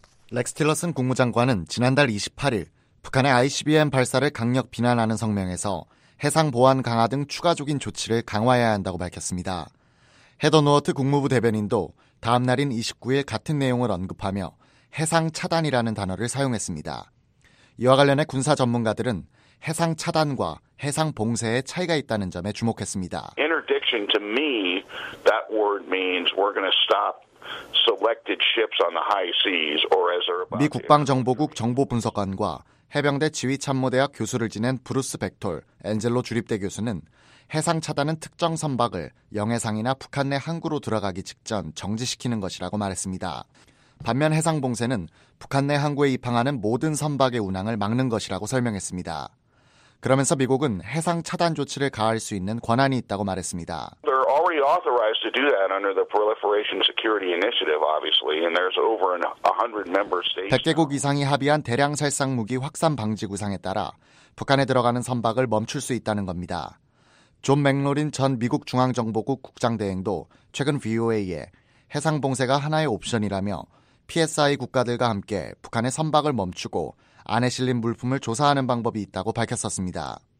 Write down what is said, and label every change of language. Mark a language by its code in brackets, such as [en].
[ko] 렉스 틸러슨 국무장관은 지난달 28일 북한의 ICBM 발사를 강력 비난하는 성명에서 해상 보안 강화 등 추가적인 조치를 강화해야 한다고 밝혔습니다. 헤더 노어트 국무부 대변인도 다음 날인 29일 같은 내용을 언급하며 해상 차단이라는 단어를 사용했습니다. 이와 관련해 군사 전문가들은 해상 차단과 해상 봉쇄의 차이가 있다는 점에 주목했습니다. [en] Interdiction to me, that word means we're going to stop selected ships on the high seas or as they're about. [ko] 미 국방정보국 정보분석관과 해병대 지휘참모대학 교수를 지낸 브루스 백톨, 엔젤로 주립대 교수는 해상 차단은 특정 선박을 영해상이나 북한 내 항구로 들어가기 직전 정지시키는 것이라고 말했습니다. 반면 해상 봉쇄는 북한 내 항구에 입항하는 모든 선박의 운항을 막는 것이라고 설명했습니다. 그러면서 미국은 해상 차단 조치를 가할 수 있는 권한이 있다고 말했습니다. [en] They're already authorized to do that under the Proliferation Security Initiative, obviously, and there's over 100 member states. [ko] 100개국 이상이 합의한 대량 살상 무기 확산 방지 구상에 따라 북한에 들어가는 선박을 멈출 수 있다는 겁니다. 존 맥로린 전 미국 중앙정보국 국장대행도 최근 VOA에 해상 봉쇄가 하나의 옵션이라며 PSI 국가들과 함께 북한의 선박을 멈추고 안에 실린 물품을 조사하는 방법이 있다고 밝혔었습니다.